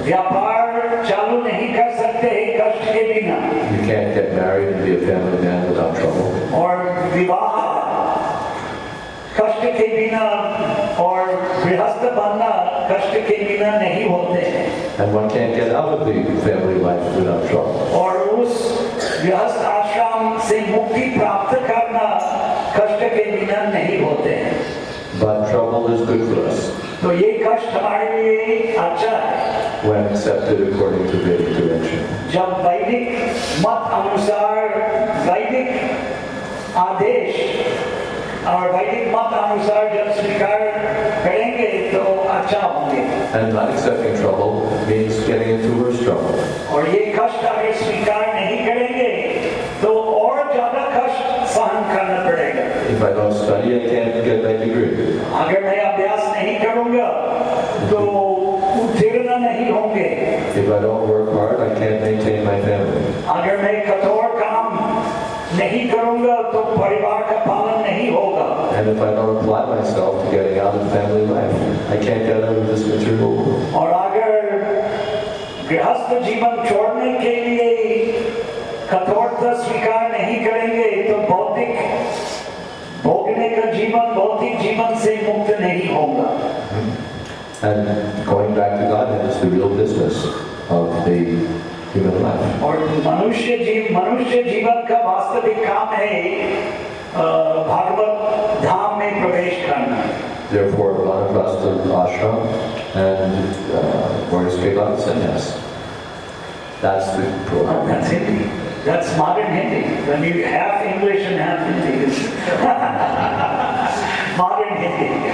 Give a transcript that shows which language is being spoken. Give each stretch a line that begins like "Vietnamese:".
Hindi: व्यापार चालू नहीं कर सकते कष्ट के बिना.
English: You can't get married and be a family man without trouble.
Hindi: और विवाह कष्ट के बिना और गृहस्थ बनना कष्ट के बिना नहीं होते.
English: And one can't get out of the family life without trouble.
Hindi: और उस गृहस्थ आश्रम से मुक्ति प्राप्त करना कष्ट के बिना नहीं होते.
English: But trouble is good for us.
Hindi: तो ये कष्ट हमारे लिए अच्छा है.
English: When accepted according to Vedic direction.
Hindi: जब वैदिक मत अनुसार वैदिक आदेश और वैदिक मत अनुसार जब स्वीकार करेंगे तो अच्छा होंगे.
English: And not accepting trouble means getting into worse trouble.
Hindi: और ये कष्ट अगर स्वीकार नहीं करेंगे तो और ज्यादा कष्ट सहन करना पड़ेगा.
English: If I don't study, I can't get my degree.
Hindi: अगर मैं अभ्यास नहीं करूंगा तो उत्तीर्ण नहीं होंगे.
English: If I don't work hard, I can't maintain my family.
Hindi: अगर मैं कठोर काम नहीं करूंगा तो परिवार का पालन नहीं होगा.
English: And if I don't apply myself to getting out of family life, I can't get out of this material world.
Hindi: और अगर गृहस्थ जीवन छोड़ने के लिए कठोरता स्वीकार नहीं करेंगे तो भौतिक भोगने का जीवन भौतिक जीवन से मुक्त नहीं होगा.
English: And going back to Godhead is the real business of the human life.
Hindi: और मनुष्य जीवन का वास्तविक काम है भागवत धाम में प्रवेश करना.
English: Therefore, Vanaprastha ashram and where is Vedant sannyas? That's the program. That's Hindi. That's modern Hindi. When you half English and half Hindi. Modern Hindi.